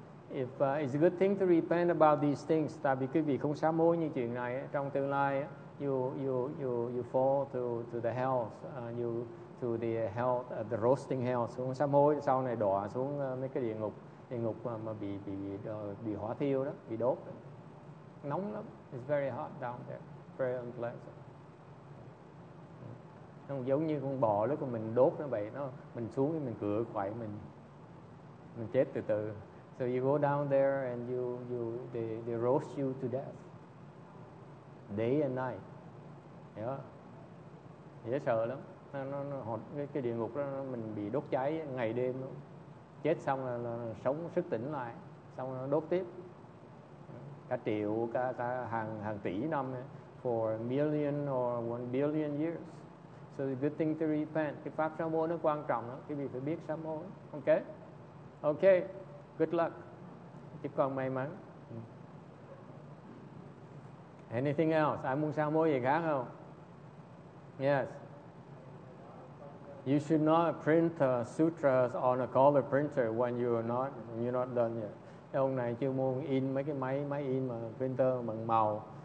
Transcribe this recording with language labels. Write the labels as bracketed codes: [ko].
[en] If it's a good thing to repent about these things, [vi] tại vì quý vị không sám hối như chuyện này, trong tương lai [en] you fall to the hells, to the hell, the roasting hells, [vi] không sám hối sau này đọa xuống mấy cái địa ngục mà bị hỏa thiêu đó, bị đốt đó. Nóng lắm, [en] it's very hot down there, very unpleasant. [vi] Nó giống như con bò lúc mà mình đốt nó vậy, nó mình xuống thì mình cựa quậy mình chết từ từ. [en] So you go down there and they roast you to death, day and night. [vi] Yeah, dễ sợ lắm. Nó cái địa ngục đó mình bị đốt cháy ngày đêm luôn. Chết xong là sống sức tỉnh lại, xong nó đốt tiếp. Cả triệu, cả hàng tỷ năm, [en] for a million or 1 billion years. So the good thing to repent. [vi] Cái pháp sám hối nó quan trọng lắm. Quý vị phải biết sám hối. [en] Okay. Okay. Good luck. [vi] Chúc con may mắn. [en] Anything else? [vi] Ai muốn sám hối gì khác không? [en] Yes. You should not print sutras on a color printer when you're not done yet. [vi] Ông này chưa muốn in mấy cái máy in mà printer bằng màu.